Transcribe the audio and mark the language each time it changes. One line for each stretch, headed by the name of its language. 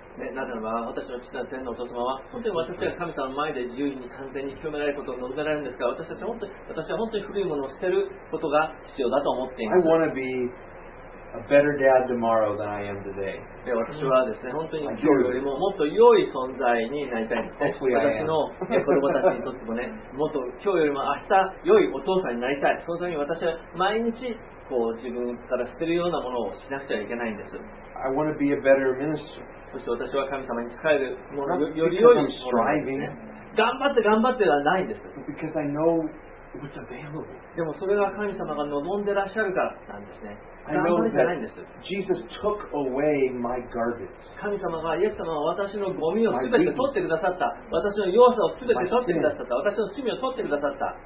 Japanese: ね、なぜならば私の父なる天のお父様は本当に私が神様の前で自由に完全に清められることを望められるんですが、私たちは本当に、私は本当に古いものを捨てることが必要だと思っています。
English: I want to be a better dad tomorrow than I am today.
Japanese: 私はですね、本当に今日よりももっと良い存在になりたいんですね。私の子供たちにとってもね、もっと今日よりも明日良いお父さんになりたい。そのために私は毎日こう自分から捨てるようなものをしなくちゃいけないんです。
English: I want to be a better minister.
Japanese: そして私は神様に仕えるもの、より良いものですね。頑張って頑張ってはないんです。
English: Because I know what's available.
Japanese: でもそれが神様が望んでらっしゃるからなんですね。
English: I know that Jesus took away my garbage.
Japanese: 神様がイエス様は私のゴミをすべて取ってくださった。私の弱さをすべて取ってくださった。私の罪を取ってくださった。